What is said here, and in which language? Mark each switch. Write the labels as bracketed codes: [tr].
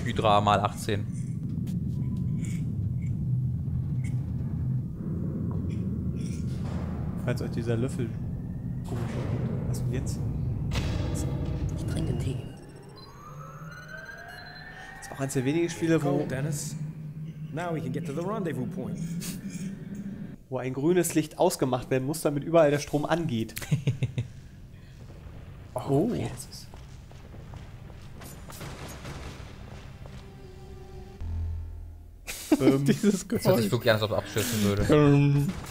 [de] Hydra mal 18. Falls euch dieser Löffel komisch kommt. Was denn jetzt? Ich trinke Tee. Das ist auch eins der wenigen Spiele, wo... Dennis. [en] Now we can get to the rendezvous point. [de] Wo ein grünes Licht ausgemacht werden muss, damit überall der Strom angeht. Oh, oh, jetzt ist... Dieses Geräusch. Das hätte ich wirklich gerne, als ob es abstürzen würde.